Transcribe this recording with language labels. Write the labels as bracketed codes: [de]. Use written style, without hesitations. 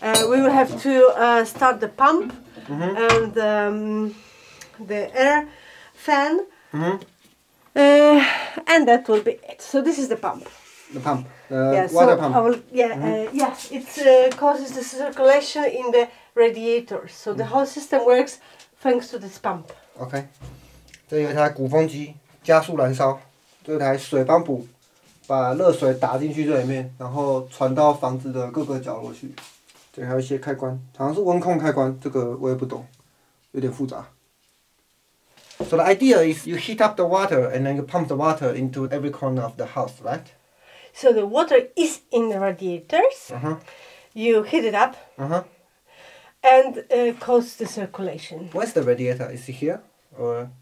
[en] We will have to start the pump and the air fan, and that will be it. So this is the pump. The pump, water pump. It causes the circulation in the radiator. So the whole system works thanks to this pump. [zh] Okay, 这有一台鼓风机，加速燃烧，这台水泵补，把热水打进去这里面，然后传到房子的各个角落去。对，还有一些开关，好像是温控开关，这个我也不懂，有点复杂。 [en] So the idea is you heat up the water and then you pump the water into every corner of the house, right? So the water is in the radiators. You heat it up. And cause the circulation. Where's the radiator? Is it here or?